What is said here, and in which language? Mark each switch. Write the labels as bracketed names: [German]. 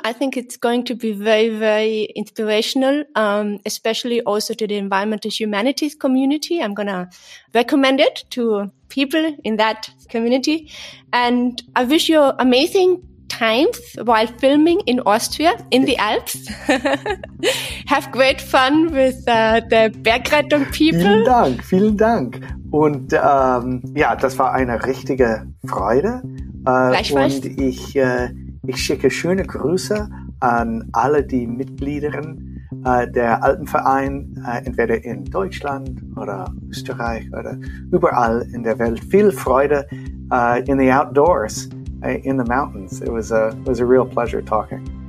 [English] I think it's going to be very, very inspirational, especially also to the environmental humanities community. I'm going to recommend it to people in that community. And I wish you amazing times while filming in Austria, in the Alps. Have great fun with the Bergrettung people. [German] Vielen Dank, vielen Dank. Und ja, das war eine richtige Freude. Gleichfalls. Und ich schicke schöne Grüße an alle die Mitglieder der Alpenverein, entweder in Deutschland oder Österreich oder überall in der Welt. Viel Freude [English] in the outdoors. In the mountains. It was a real pleasure talking.